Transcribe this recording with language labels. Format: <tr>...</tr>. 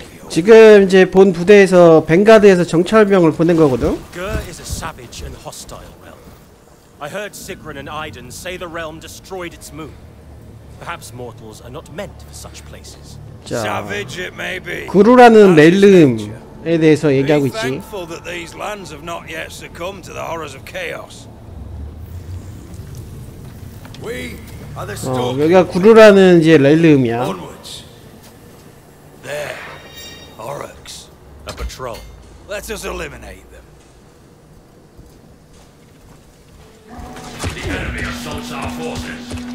<ko>지금 이제 본 부대에서 벵가드에서 정찰병을 보낸 거거든.</ko> <en>Gur is a savage and hostile realm. I heard Sigrun and Iden say the realm destroyed its moon. Perhaps mortals are not meant for such places. Savage it may be.</en> <ko>구루라는 렐름에 대해서 얘기하고 있지.</ko> <en>Be thankful that these lands have not yet succumbed to the horrors of chaos. We are the storm.</en> <ko>여기가 구루라는 이제 렐름이야.</ko> <en>There, orcs, a patrol. Let us eliminate them. The enemy assaults our forces.</en>